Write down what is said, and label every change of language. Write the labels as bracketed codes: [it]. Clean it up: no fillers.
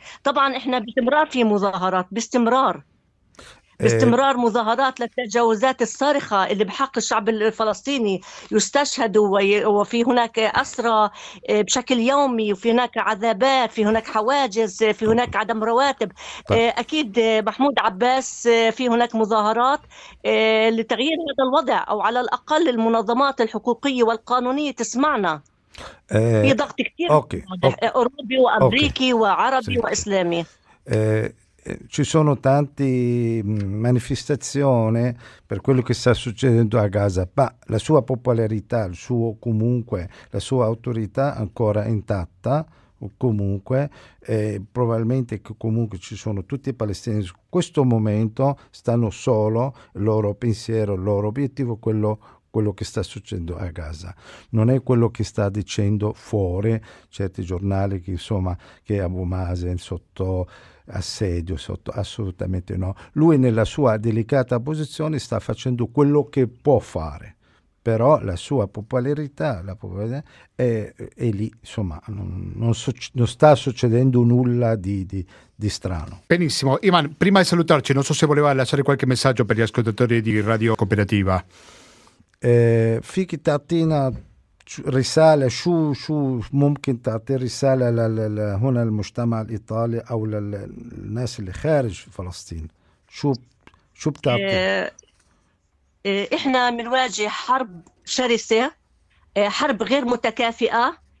[ar] طبعا احنا باستمرار في مظاهرات باستمرار مظاهرات للتجاوزات الصارخة اللي بحق الشعب الفلسطيني يستشهد وفي هناك أسرى بشكل يومي وفي هناك عذابات في هناك حواجز في هناك عدم رواتب أكيد محمود عباس في هناك مظاهرات لتغيير هذا الوضع أو على الأقل المنظمات الحقوقية والقانونية تسمعنا في ضغط كثير أوروبي وأمريكي وعربي وإسلامي [it] ci sono tante manifestazioni per quello che sta succedendo a Gaza, ma la sua popolarità, il suo comunque, la sua autorità ancora intatta, comunque, probabilmente che comunque ci sono tutti i palestinesi in questo momento, stanno solo il loro pensiero, il loro obiettivo, quello che sta succedendo a Gaza. Non è quello che sta dicendo fuori certi giornali che insomma che Abu Mazen sotto assedio, sotto, assolutamente no. Lui nella sua delicata posizione sta facendo quello che può fare, però la sua popolarità, è lì, insomma, non sta succedendo nulla di strano. Benissimo. Ivan, prima di salutarci, non so se voleva lasciare qualche messaggio per gli ascoltatori di Radio Cooperativa. [ar] Fichi tattina risale شو ممكن تعطي رسالة لل هنا المجتمع الإيطالي أو للناس اللي خارج فلسطين شو بتعطي؟ إحنا بنواجه حرب شرسة حرب غير متكافئة